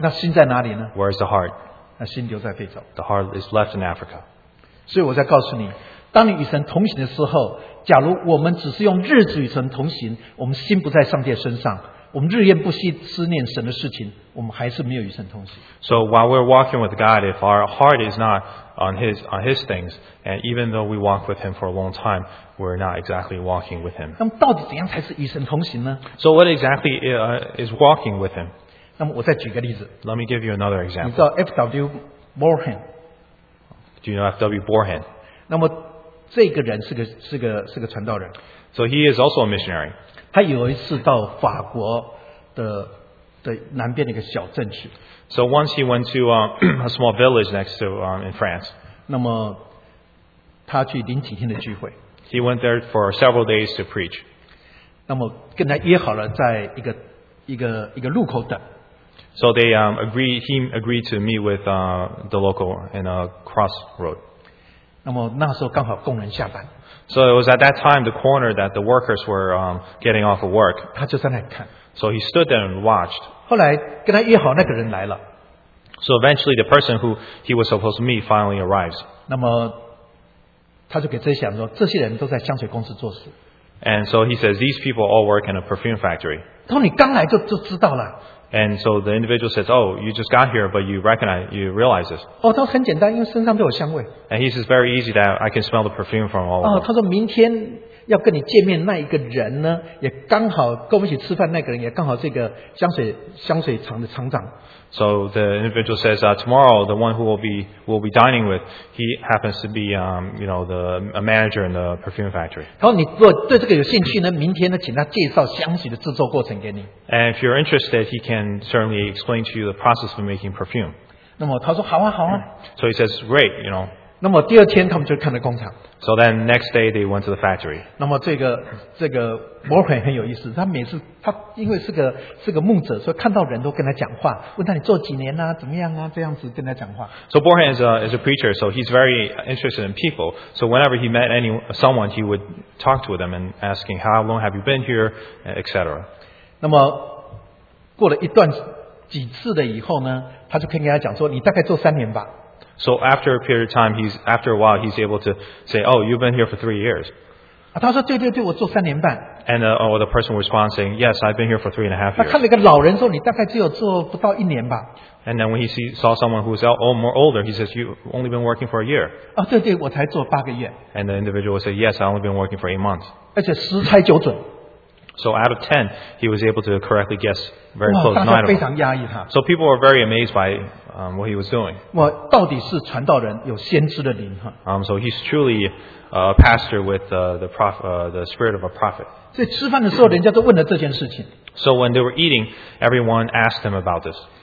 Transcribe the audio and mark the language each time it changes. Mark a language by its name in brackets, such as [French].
[Chinese] 那心在哪里呢？ [English] Where is the heart? [Chinese] 那心留在非洲。 [English] The heart is left in Africa. [Chinese] 所以我在告诉你，当你与神同行的时候。假如我们只是用日子与神同行，我们心不在上帝身上，我们日夜不息思念神的事情，我们还是没有与神同行。 [English] So while we're walking with God, if our heart is not on His things, and even though we walk with Him for a long time, we're not exactly walking with Him. [Chinese] 那么到底怎样才是与神同行呢 [English] ？So what exactly is walking with Him? [Chinese] 那么我再举个例子。 [English] Let me give you another example. [Chinese] 你知道 F.W. Borhan? [English] Do you know F.W. Borhan? [Chinese] 那么这个人是个传道人。 [English] So he is also a missionary. [Chinese] 他有一次到法国的南边的一个小镇去。 [English] So once he went to a small village next to in France. [Chinese] 那么他去领几天的聚会。 [English] He went there for several days to preach. [Chinese] 那么跟他约好了在一个路口等。 [English] So they agreed to meet with the local in a crossroad. [Chinese] 那么那时候刚好工人下班。 [English] So it was at that time the corner that the workers were getting off of work. [Chinese] 他就在那里看。 [English] So he stood there and watched. [Chinese] 后来跟他约好那个人来了。 [English] So eventually the person who he was supposed to meet finally arrives. [Chinese] 那么他就给这些人说，这些人都在香水公司做事。 [English] And so he says these people all work in a perfume factory. [Chinese] 他说你刚来就知道了。 [English] And so the individual says, oh, you just got here, but you recognize, you realize this. [Chinese] 哦，他说很简单，因为身上都有香味。 [English] And he says very easy that I can smell the perfume from all of them. [Chinese] 哦，他说明天要跟你见面那一个人呢，也刚好跟我们一起吃饭那个人也刚好这个香水厂的厂长。 [English] So the individual says, tomorrow the one who will be dining with, he happens to be, a manager in the perfume factory. [Chinese] 他说你如果对这个有兴趣呢，明天呢请他介绍香水的制作过程给你。 [English] And if you're interested, he can certainly explain to you the process of making perfume. [Chinese] 那么他说好啊好啊。 [English] So he says, great, [Chinese] 那么第二天他们就看了工厂。 [English] So then next day they went to the factory. [Chinese] 那么这个 Morgan 很有意思，他每次他因为是个牧者，所以看到人都跟他讲话，问他你做几年啊，怎么样啊，这样子跟他讲话。 [English] So Morgan is a preacher, so he's very interested in people. So whenever he met someone, he would talk to them and asking how long have you been here, etc. [Chinese] 那么过了一段几次的以后呢，他就可以跟他讲说，你大概做三年吧。 [English] So after a period of time, after a while, he's able to say, oh, you've been here for 3 years. [Chinese] 他说对对对，我做三年半。 [English] And the person responds saying, yes, I've been here for 3.5 years. [Chinese] 他看了一个老人说，你大概只有做不到一年吧。 [English] And then when he saw someone who's older, he says, you've only been working for a year. [Chinese] 对对，我才做八个月。 [English] And the individual would say, yes, I've only been working for 8 months. [Chinese] 而且十猜九准。 [English] So out of 10, he was able to correctly guess very close. [Chinese] 大家非常压抑他。 [English] So people were very amazed by what he was doing. [Chinese] 我到底是传道人，有先知的灵哈。 [English] So he's truly a pastor with the spirit of a prophet. [Chinese] 所以吃饭的时候，人家都问了这件事情。 [English] So when they were eating, everyone asked him about this.